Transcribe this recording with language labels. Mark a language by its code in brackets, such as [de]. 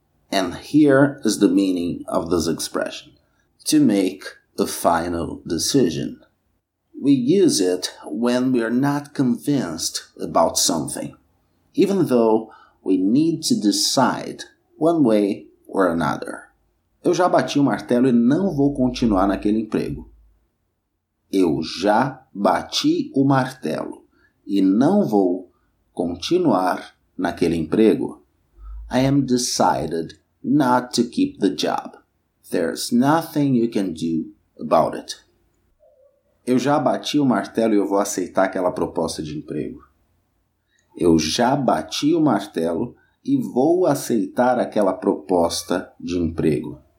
[en] And here is the meaning of this expression. To make a final decision. We use it when we are not convinced about something, even though we need to decide one way or another. [pt] Eu já bati o martelo e não vou continuar naquele emprego. Eu já bati o martelo e não vou continuar naquele emprego. [en] I am decided not to keep the job. There's nothing you can do about it. [pt] Eu já bati o martelo e eu vou aceitar aquela proposta de emprego. Eu já bati o martelo e vou aceitar aquela proposta de emprego.